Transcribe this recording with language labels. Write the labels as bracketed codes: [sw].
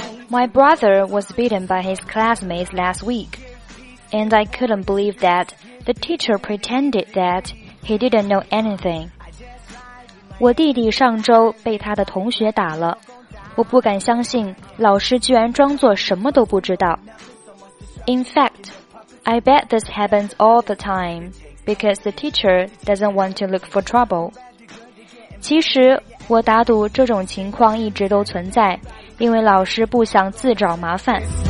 [en] My brother was beaten by his classmates last week, and I couldn't believe that the teacher pretended that he didn't know anything. [zh] 我弟弟上周被他的同学打了。我不敢相信老师居然装作什么都不知道。 [en] In fact, I bet this happens all the time because the teacher doesn't want to look for trouble. [zh] 其实我打赌这种情况一直都存在，因为老师不想自找麻烦。